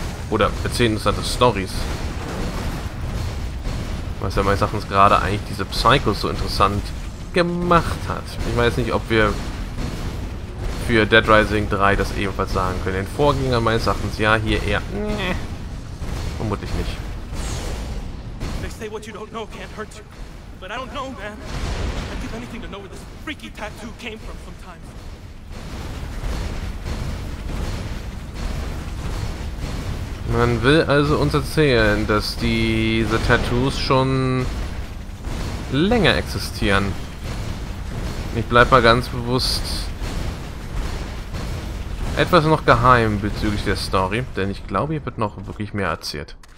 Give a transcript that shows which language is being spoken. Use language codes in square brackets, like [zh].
[de] Oder erzählen interessante Stories. Was ja meines Erachtens gerade eigentlich diese Psychos so interessant gemacht hat. Ich weiß nicht, ob wir für Dead Rising 3 das ebenfalls sagen können. Den Vorgänger meines Erachtens ja, hier eher. Nee. Vermutlich nicht. [en] They say what you don't know can't hurt you. But I don't know, man. I'd give anything to know where this freaky tattoo came from sometimes. [de] Man will also uns erzählen, dass diese Tattoos schon länger existieren. Ich bleib mal ganz bewusst etwas noch geheim bezüglich der Story, denn ich glaube, hier wird noch wirklich mehr erzählt.